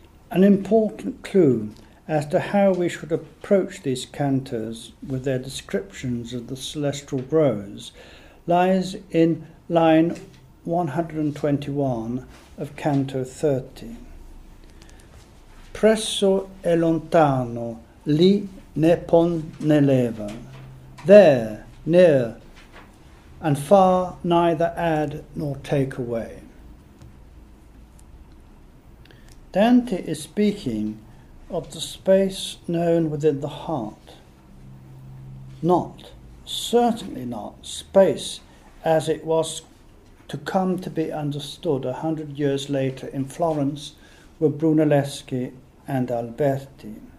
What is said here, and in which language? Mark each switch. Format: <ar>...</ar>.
<en>An important clue as to how we should approach these cantos with their descriptions of the celestial grows lies in line 121 of canto 30.</en> <it>Presso e lontano, lì ne pon ne leva.</it> <en>There, near, and far, neither add nor take away. Dante is speaking of the space known within the heart, not, certainly not, space as it was to come to be understood 100 years later in Florence with Brunelleschi and Alberti.</en>